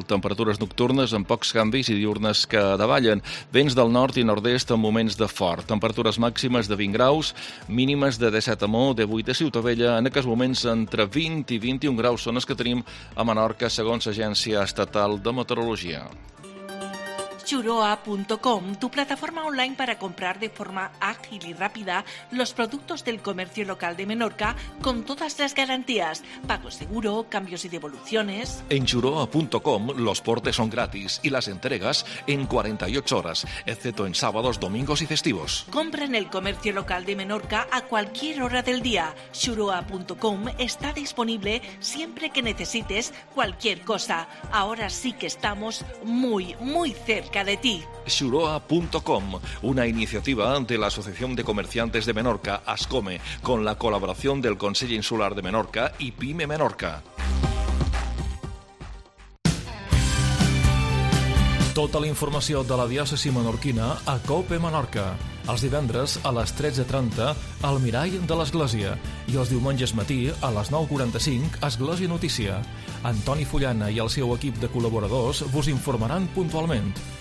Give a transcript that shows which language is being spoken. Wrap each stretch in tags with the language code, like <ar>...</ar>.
<ca>Temperatures nocturnes amb pocs canvis i diurnes que davallen. Vents del nord i nord-est en moments de fort. Temperatures màximes de 20 graus, mínimes de 17 a Mo, de 8 a Ciutadella. En aquests moments entre 20 i 21 graus són els que tenim a Menorca, segons l'Agència Estatal de Meteorologia.</ca> <es>Xuroa.com, tu plataforma online para comprar de forma ágil y rápida los productos del comercio local de Menorca con todas las garantías, pago seguro, cambios y devoluciones. En Xuroa.com los portes son gratis y las entregas en 48 horas, excepto en sábados, domingos y festivos. Compra en el comercio local de Menorca a cualquier hora del día. Xuroa.com está disponible siempre que necesites cualquier cosa. Ahora sí que estamos muy, muy cerca. cerca de ti. Xuroa.com, una iniciativa ante la Asociación de Comerciantes de Menorca, ASCOME, con la colaboración del Consejo Insular de Menorca y PYME Menorca.</es> <ca>Tota la informació de la diòcesi menorquina a COPE Menorca. Els divendres a les 13:30 al Mirall de l'Església i els diumenges matí a les 9:45 Església Notícia. Antoni Fullana i el seu equip de col·laboradors vos informaran puntualment.</ca>